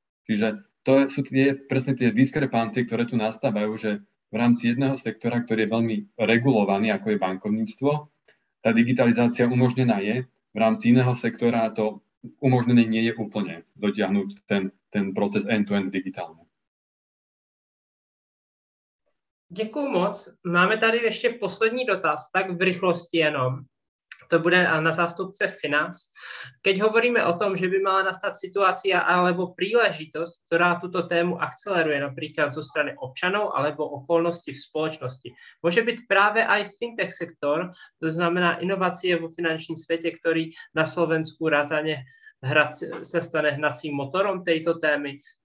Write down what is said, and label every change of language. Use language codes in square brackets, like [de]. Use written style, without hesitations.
[sk] Čiže to sú presne tie diskrepancie, ktoré tu nastávajú, že v rámci jedného sektora, ktorý je veľmi regulovaný, ako je bankovníctvo, tá digitalizácia umožnená je, v rámci iného sektora to umožnené nie je úplne dotiahnuť ten proces end-to-end digitálne. [cs] Děkuju moc. Máme tady ještě poslední dotaz, tak v rychlosti jenom. To bude na zástupce financ. [sk] Keď hovoríme o tom, že by mala nastat situácia alebo príležitosť, ktorá túto tému akceleruje napríklad zo strany občanov alebo okolnosti v spoločnosti, môže byť práve aj fintech sektor, to znamená inovácie vo finančním svete, ktorý na Slovensku rátane se stane hnacím motorom tejto témy.